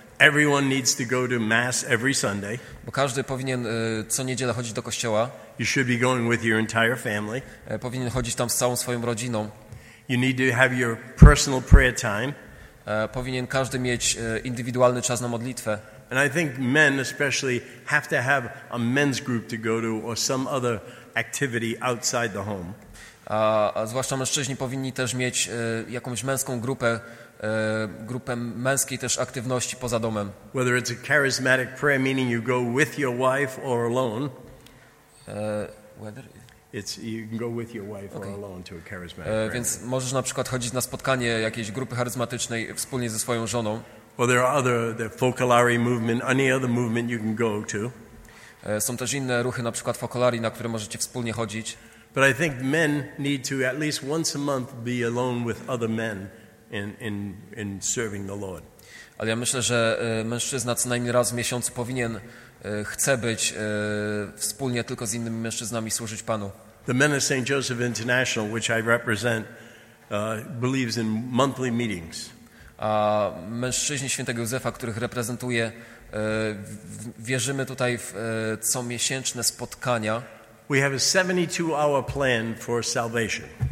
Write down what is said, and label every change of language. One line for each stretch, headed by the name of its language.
English: Everyone needs to go to mass every Sunday.
Polish: Bo każdy powinien co niedzielę chodzić do kościoła.
English: You should be going with your entire family.
Polish: Powinien chodzić tam z całą swoją rodziną.
English: You need to have your personal prayer time.
Polish: Powinien każdy mieć indywidualny czas na modlitwę.
English: And I think men especially have to have a men's group to go to or some other activity outside the home.
Polish: A zwłaszcza mężczyźni powinni też mieć jakąś męską grupę męskiej też aktywności poza domem.
English: Whether it's a charismatic prayer, meaning you go with your wife or alone. You can go with your wife or alone to a charismatic prayer.
Polish: Więc możesz na przykład chodzić na spotkanie jakiejś grupy charyzmatycznej wspólnie ze swoją żoną.
English: Or there are other, the focolare movement, any other movement you can go to.
Polish: Są też inne ruchy, na przykład focolari, na które możecie wspólnie chodzić.
English: But I think men need to at least once a month be alone with other men. In serving the Lord.
Polish: Ale ja myślę, że mężczyzna co najmniej raz w miesiącu powinien chce być wspólnie tylko z innymi mężczyznami służyć Panu.
English: The men of St. Joseph International, which I represent, believes in monthly meetings.
Polish: A mężczyźni Świętego Józefa, których reprezentuję, wierzymy tutaj w comiesięczne spotkania.
English: We have a 72-hour plan for salvation.